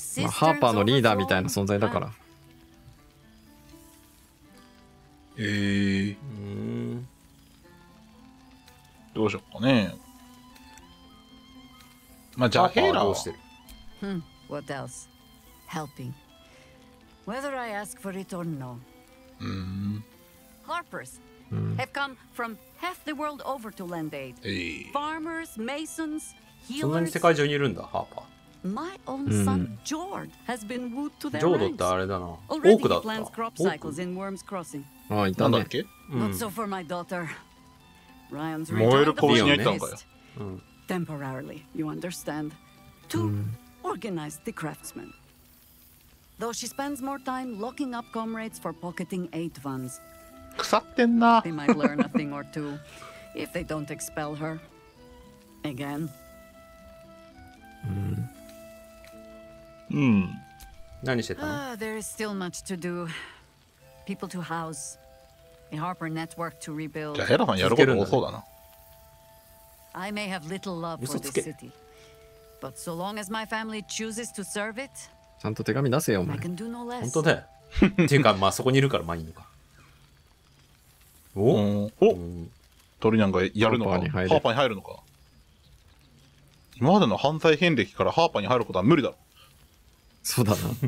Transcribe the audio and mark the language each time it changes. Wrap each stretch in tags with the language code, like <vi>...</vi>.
<ja>ハーパーのリーダーみたいな存在だから。どうしようかね。まあ、ジャヘイラをしてる。</ja> <en>What else? Helping. Whether I ask for it or no. Harpers have come from half the world over to lend aid. Farmers, masons, healers.</en> <ja>そんなに世界中にいるんだ、ハーパー。</ja> <en>My own son, Jord, has been wooed to their</en> <ja>ジョードってあれだな。オークだった。オーク。ああ、いたね。なんだっけ？うん。</ja> <en>Not so for my daughter. Ryan's retired.</en> <ja>燃える格子にいたんかよ。</ja> <en>Temporarily, you understand, to organize the craftsmen. Though she spends more time locking up comrades for pocketing eight vans.</en> <ja>腐ってんな。</ja> <en>They might learn a thing or two if they don't expel her again.</en> <ja>うん。何してたの？</ja> <en>There is still much to do. People to house. A Harper network to rebuild.</en> <ja>じゃあヘラさんやること多そうだな。</ja> <en>I may have little love for this city, but so long as my family chooses to serve it,</en> <ja>ちゃんと手紙出せよお前。本当だよ。っていうかまあそこにいるからまあいいのか。お、鳥なんかやるのか。ハーパーに入るのか。今までの犯罪遍歴からハーパーに入ることは無理だろ。そうだな。</ja>